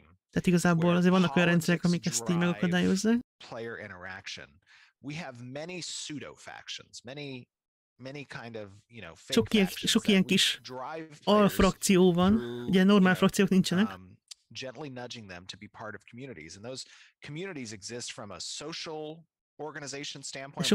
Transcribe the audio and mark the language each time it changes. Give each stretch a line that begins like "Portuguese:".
Hungarian: Tehát igazából azért vannak olyan rendszerek, amik ezt így megakadályozzák.
English: Player interaction. We have many pseudo factions, many kind of, you know,
Hungarian: sok ilyen kis alfrakció van, ugye normál frakciók nincsenek.
English: Gently nudging them to be part of communities, and those communities exist from a social organization standpoint.